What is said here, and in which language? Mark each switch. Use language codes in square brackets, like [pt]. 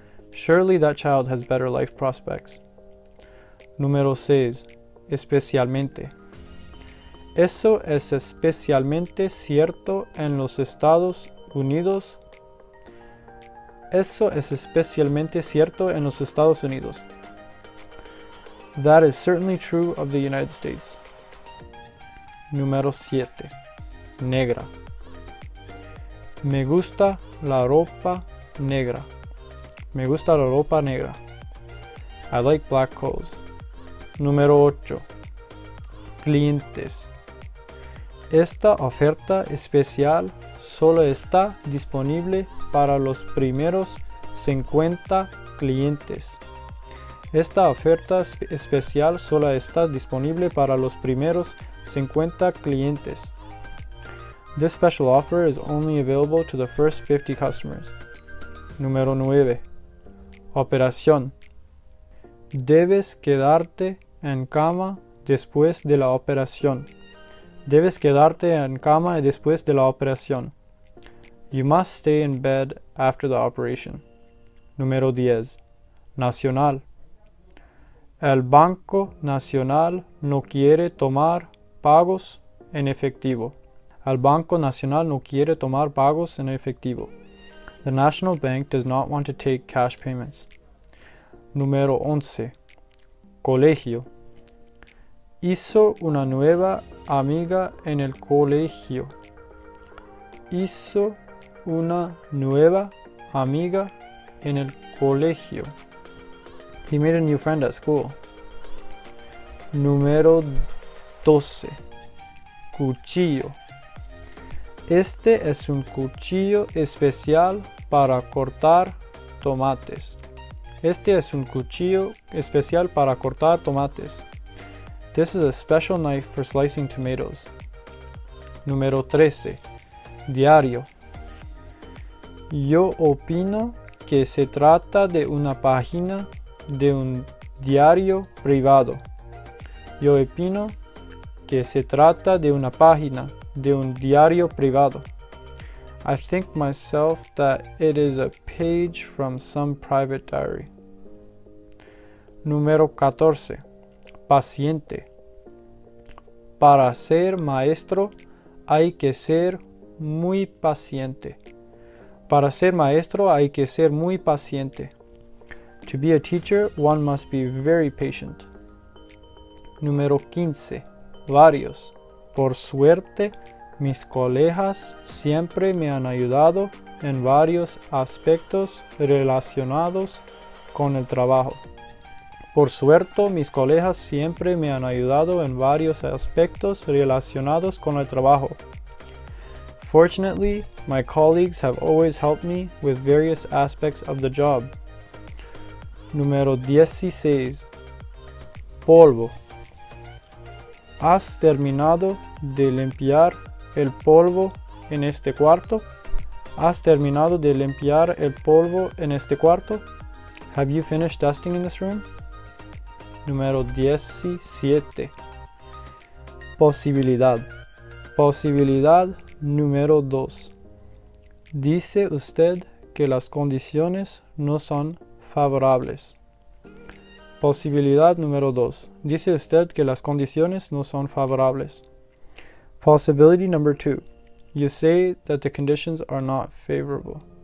[en] Surely that child has better life prospects. [es] Número 6. Especialmente. Eso es especialmente cierto en los Estados Unidos. Eso es especialmente cierto en los Estados Unidos. [en] That is certainly true of the United States. [es] Número 7. Negra. Me gusta la ropa negra. Me gusta la ropa negra. [en] I like black clothes. [es] Número 8. Clientes. Esta oferta especial solo está disponible para los primeros 50 clientes. Esta oferta especial solo está disponible para los primeros 50 clientes. [en] This special offer is only available to the first 50 customers. [es] Número 9. Operación. Debes quedarte en cama después de la operación. Debes quedarte en cama después de la operación. [en] You must stay in bed after the operation. [es] Número 10. Nacional. El Banco Nacional no quiere tomar pagos en efectivo. El Banco Nacional no quiere tomar pagos en efectivo. [en] The National Bank does not want to take cash payments. [es] Número 11. Colegio. Hizo una nueva amiga en el colegio. Hizo una nueva amiga en el colegio. [en] He made a new friend at school. [es] Número 12. Cuchillo. Este es un cuchillo especial para cortar tomates. Este es un cuchillo especial para cortar tomates. [en] This is a special knife for slicing tomatoes. [es] Número 13. Diario. Yo opino que se trata de una página de un diario privado. Yo opino que se trata de una página de un diario privado. [en] I think myself that it is a page from some private diary. [es] Número 14. Paciente. Para ser maestro hay que ser muy paciente. Para ser maestro hay que ser muy paciente. [en] To be a teacher, one must be very patient. [es] Número 15. Varios. Por suerte, mis colegas siempre me han ayudado en varios aspectos relacionados con el trabajo. Por suerte, mis colegas siempre me han ayudado en varios aspectos relacionados con el trabajo. [en] Fortunately, my colleagues have always helped me with various aspects of the job. [es] Número 16. Polvo. ¿Has terminado de limpiar el polvo en este cuarto? ¿Has terminado de limpiar el polvo en este cuarto? [en] Have you finished dusting in this room? [es] Número 17. Posibilidad. Posibilidad número 2. Dice usted que las condiciones no son favorables. Posibilidad número 2. Dice usted que las condiciones no son favorables. [en] Possibility number 2. You say that the conditions are not favorable.